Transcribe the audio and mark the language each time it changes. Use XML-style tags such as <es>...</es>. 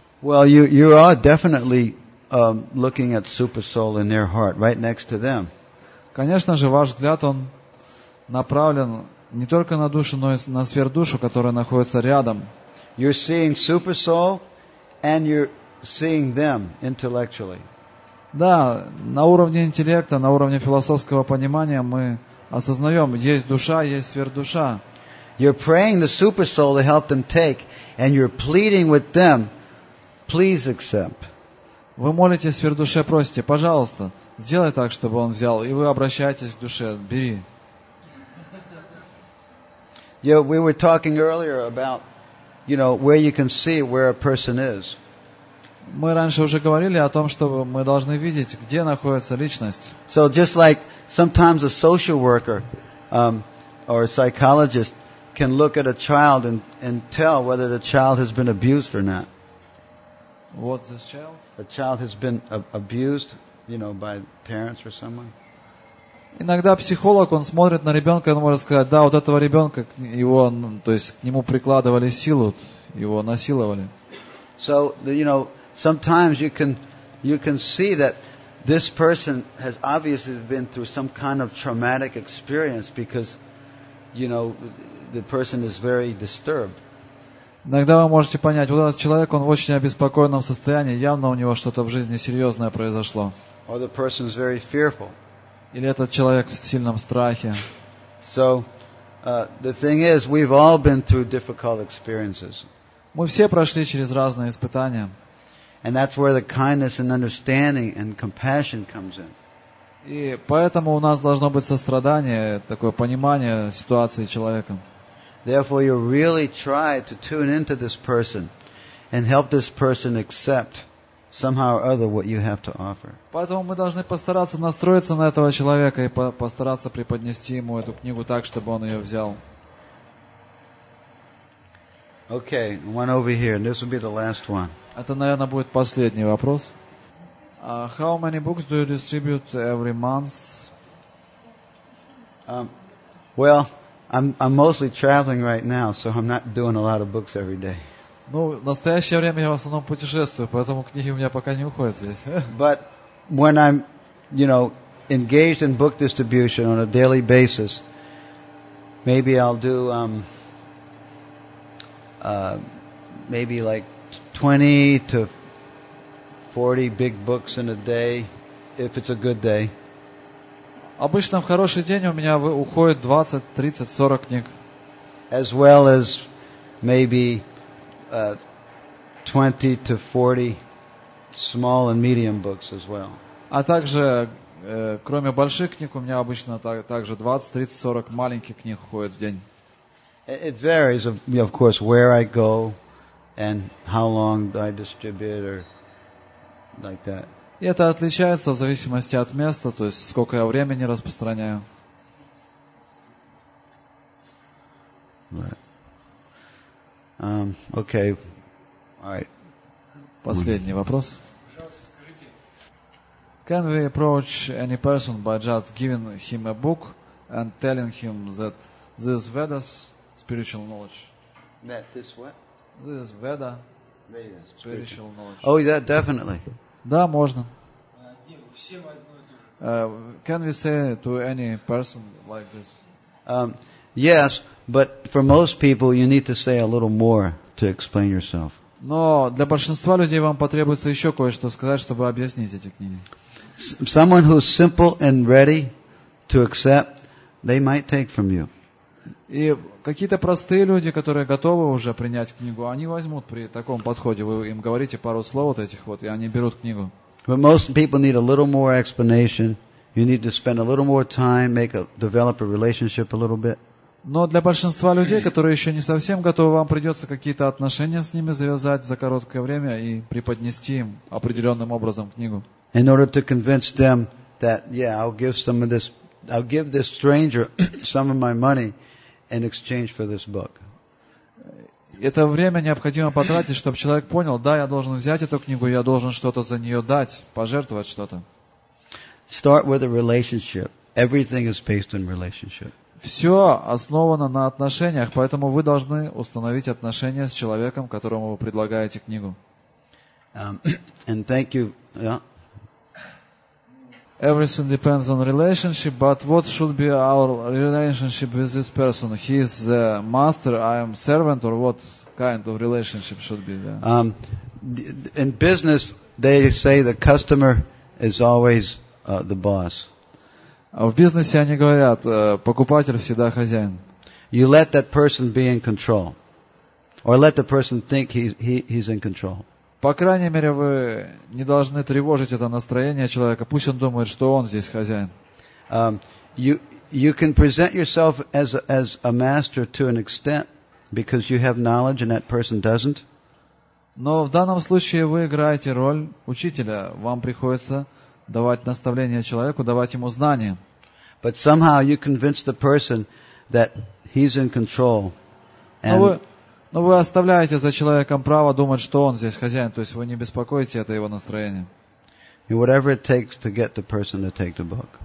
<en>Well, you are definitely looking at super soul in their heart, right next to them.</en> <ru>Конечно же, ваш взгляд он направлен не только на душу, но и на сверхдушу, которая находится рядом.</ru> <en>You're seeing super soul, and you're seeing them intellectually.</en> <ru>Да, на уровне интеллекта, на уровне философского понимания мы осознаем, есть душа, есть сверхдуша.</ru> <en>You're praying the super soul to help them take, and you're pleading with them, please accept.</en> <ru>Вы молитесь сверхдуше, просите, пожалуйста, сделай так, чтобы он взял, и вы обращаетесь к душе, бери.</ru> <en>Yeah, we were talking earlier about, you know, where you can see where a person is.</en> <ru>Мы раньше уже говорили о том, что мы должны видеть, где находится личность.</ru> <en>So just like sometimes a social worker or a psychologist can look at a child and tell whether the child has been abused or not. What's this child? A child has been abused, you know, by parents or someone.</en> <ru>Иногда психолог, он смотрит на ребенка, и он может сказать, да, вот этого ребенка, его, то есть к нему прикладывали силу, его насиловали.</ru> <en>So, you know, sometimes you can see that this person has obviously been through some kind of traumatic experience because, you know, the person is very disturbed.</en> <ru>Иногда вы можете понять, вот этот человек, он в очень обеспокоенном состоянии, явно у него что-то в жизни серьезное произошло.</ru> <en>Or the person is very fearful.</en> <ru>Или этот человек в сильном страхе.</ru> <en>So, the thing is, we've all been through difficult experiences.</en> <ru>Мы все прошли через разные испытания.</ru> <en>And that's where the kindness and understanding and compassion comes in.</en> <ru>И поэтому у нас должно быть сострадание, такое понимание ситуации человека.</ru> <en>Therefore, you really try to tune into this person and help this person accept somehow or other what you have to offer.</en> <ru>Поэтому мы должны постараться настроиться на этого человека и постараться преподнести ему эту книгу так, чтобы он ее взял.</ru> <en>Okay, one over here, and this will be the last one.</en> <ru>Это, наверное, будет последний вопрос.</ru> <en>How many books do you distribute every month? Well, I'm mostly traveling right now, so I'm not doing a lot of books every day.</en> <ru>Ну, в настоящее время я в основном путешествую, поэтому книги у меня пока не уходят здесь.</ru> <en>But when I'm, you know, engaged in book distribution on a daily basis, maybe I'll do maybe like 20 to 40 big books in a day if it's a good day.</en> <ru>Обычно в хороший день у меня уходит 20, 30, 40 книг.</ru> <en>As well as maybe 20 to 40 small and medium books as well.</en> <ru>А также кроме больших книг у меня обычно также 20, 30, 40 маленьких книг уходит в день.</ru> <en>It varies, of course, where I go and how long I distribute or like that.</en> <ru>И это отличается в зависимости от места, то есть сколько я времени распространяю.</ru> <en>Right. Okay. All right.</en> <ru>Последний вопрос.</ru> <en>Can we approach any person by just giving him a book and telling him that this Vedas spiritual knowledge? That this what? This Veda spiritual knowledge. Oh, yeah, definitely.</en> <ru>Да, можно.</ru> <en>Can we say to any person like this? Yes, but for most people you need to say a little more to explain yourself.</en> <ru>Но для большинства людей вам потребуется еще кое-что сказать, чтобы объяснить эти книги.</ru> <en>Someone who's simple and ready to accept, they might take from you.</en> <ru>И какие-то простые люди, которые готовы уже принять книгу, они возьмут при таком подходе. Вы им говорите пару слов вот этих вот, и они берут книгу.</ru> <en>But most people need a little more explanation. You need to spend a little more time, develop a relationship a little bit.</en> <ru>Но для большинства людей, которые еще не совсем готовы, вам придется какие-то отношения с ними завязать за короткое время и преподнести им определенным образом книгу.</ru> <en>In order to convince them that, yeah, I'll give some of this, I'll give this stranger some of my money in exchange for this book.</en> <ru>Это время необходимо потратить, чтобы человек понял, да, я должен взять эту книгу, я должен что-то за нее дать, пожертвовать что-то.</ru> <en>Start with a relationship. Everything is based on relationship.</en> <ru>Все основано на отношениях, поэтому вы должны установить отношения с человеком, которому вы предлагаете книгу.</ru> <en>And thank you. Yeah. Everything depends on relationship, but what should be our relationship with this person? He is the master, I am servant, or what kind of relationship should be there? In business, they say the customer is always the boss.</en> <ru>В бизнесе они говорят, покупатель всегда хозяин.</ru> <en>You let that person be in control. Or let the person think he's in control.</en> <ru>По крайней мере, вы не должны тревожить это настроение человека. Пусть он думает, что он здесь хозяин.</ru> <en>You can present yourself as a master to an extent because you have knowledge and that person doesn't.</en> <ru>Но в данном случае вы играете роль учителя. Вам приходится давать наставление человеку, давать ему знания.</ru> <en>But somehow you convince the person that he's in control. And</en> <ru>Но вы оставляете за человеком право думать, что он здесь хозяин. То есть вы не беспокоите это его настроение.</ru> <en>And whatever it takes to get the person to take the book.</en>